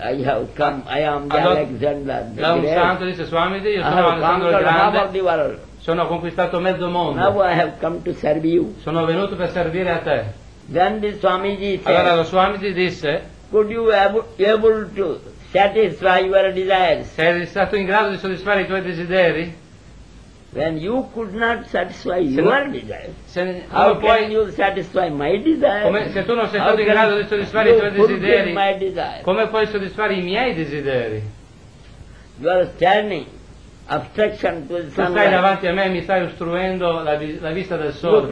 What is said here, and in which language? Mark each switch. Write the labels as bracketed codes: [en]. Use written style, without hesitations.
[en] I have come, I am the [it] allora, [en] Alexander the Great. [it] Da un santo disse, Swamiji, io sono Alessandro il Grande, sono conquistato mezzo mondo. [en] Now I have come to serve you. [it] Sono venuto per servire a te. [en] Then the Swamiji said, [it] allora lo Swamiji disse, [en] could you able to satisfy your desires? [it] Sei stato in grado di soddisfare i tuoi desideri? [en] When you could not satisfy your desires, how can you satisfy my desires? [it] Come se tu non sei stato in grado di soddisfare i tuoi desideri, [en] my desires? [it] Come puoi soddisfare i miei desideri? [en] You are standing, obstruction to the sunlight. [it] Tu stai davanti a me e mi stai ostruendo la vista del sole.